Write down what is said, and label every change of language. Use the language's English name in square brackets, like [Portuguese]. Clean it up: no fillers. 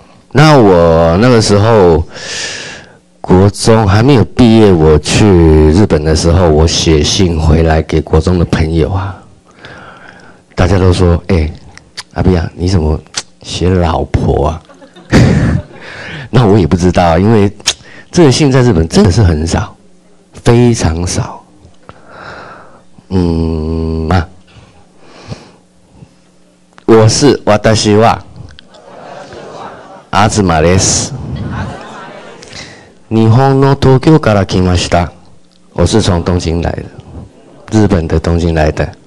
[Chinese] 那我那个时候国中还没有毕业，我去日本的时候，我写信回来给国中的朋友啊，大家都说：“哎、欸，阿比亚，你怎么写老婆啊？” 那我也不知道，因为这个姓在日本真的是很少，非常少。 [Japanese] 嗯啊，我是瓦达西瓦，阿兹马雷斯，日本の東京から来ました。 [Chinese] 我是从东京来的，日本的东京来的。